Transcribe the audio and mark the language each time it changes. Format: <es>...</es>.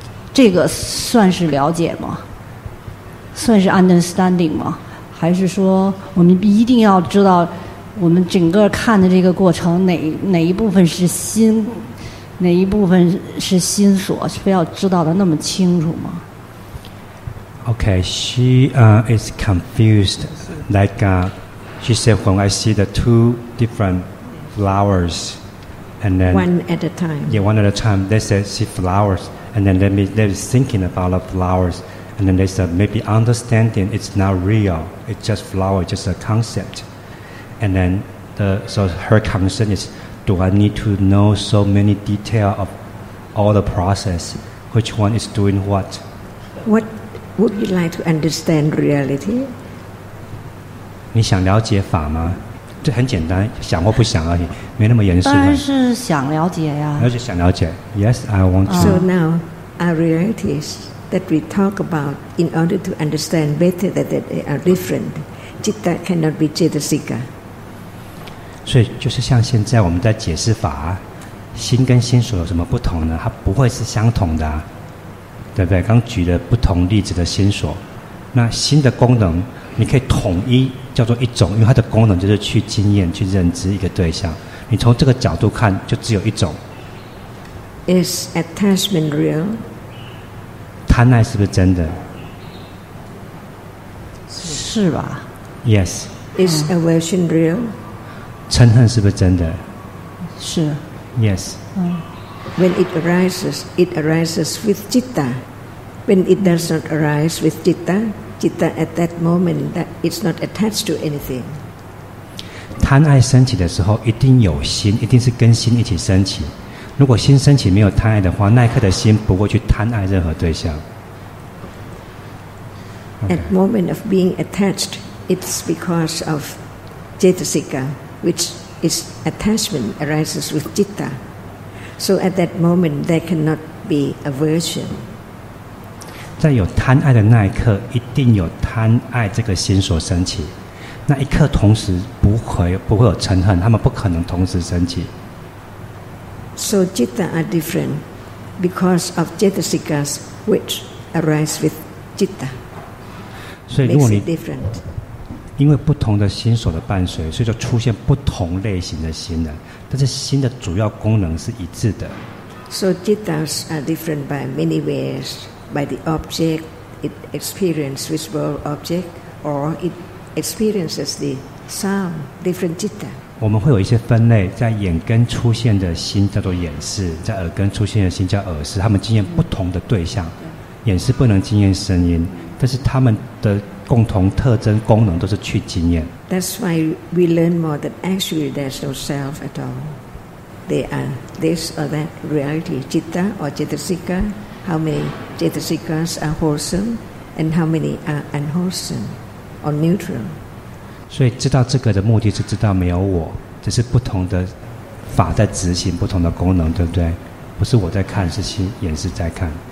<zh>这个算是了解吗？算是</zh> <en>understanding</en> <zh>吗？还是说我们一定要知道我们整个看的这个过程哪一部分是心，哪一部分是心所，是非要知道的那么清楚吗？</zh> <en>OK, she is confused. Like she said, when I see the two different flowers, and then one at a time. Yeah, one at a time. They said see flowers, and then they're thinking about the flowers, and then they said maybe understanding it's not real. It's just flower, just a concept. And then, so her concern is, do I need to know so many details of all the process? Which one is doing what? What would you like to understand reality?</en> <zh>你想了解法吗？这很简单，想或不想而已，没那么严肃。当然是想了解呀。而且想了解。</zh> <en>Yes, I want to. So now, our realities that we talk about in order to understand better that they are different, citta cannot be cittasika.</en> <zh>所以就是像现在我们在解释法，心跟心所有什么不同呢？它不会是相同的，对不对？刚举了不同例子的心所，那心的功能你可以统一叫做一种，因为它的功能就是去经验、去认知一个对象。你从这个角度看，就只有一种。</zh> <en>Is attachment real？</en> <zh>贪爱是不是真的？是吧</zh> <en>？Yes。 Is aversion real？</en> <zh>嗔恨是不是真的？是。</zh> <en>Yes. When it arises with citta. When it does not arise with citta, citta at that moment that it's not attached to anything.</en> <zh>贪爱升起的时候，一定有心，一定是跟心一起升起。如果心升起没有贪爱的话，那一刻的心不会去贪爱任何对象。</zh> <en>Okay. At moment of being attached, it's because of cittasika. Which is attachment arises with citta, so at that moment there cannot be aversion.</en> <zh>在有贪爱的那一刻，一定有贪爱这个心所升起。那一刻同时不会有嗔恨，他们不可能同时升起。</zh> <en>So citta are different because of cittasikas which arise with citta.</en> <zh>所以如果你</zh> <en>makes it different.</en> <zh>因为不同的心所的伴随，所以就出现不同类型的心了。但是心的主要功能是一致的。</zh> <en>So jittas are different by many ways, by the object it experiences, visible object, or it experiences the sound, different jitta.</en> <zh>我们会有一些分类，在眼根出现的心叫做眼识，在耳根出现的心叫耳识，他们经验不同的对象。眼识不能经验声音，但是他们的共同特征功能都是去经验。</zh> <en>That's why we learn more that actually there's no self at all. They are this or that reality, citta or cittasika. How many cittasikas are wholesome, and how many are unwholesome or neutral?</en> <zh>所以知道这个的目的是知道没有我，只是不同的法在执行不同的功能，对不对？不是我在看，是心眼识在看。</zh>